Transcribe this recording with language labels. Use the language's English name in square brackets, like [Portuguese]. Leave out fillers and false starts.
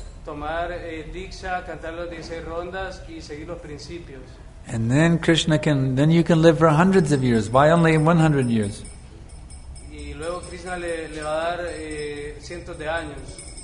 [Spanish] Tomar diksha, cantar los 16 rondas y seguir los principios. [English] And then Krishna can, then you can live for hundreds of years. Why only 100 years? [Spanish] Y luego Krishna le va a dar cientos de años.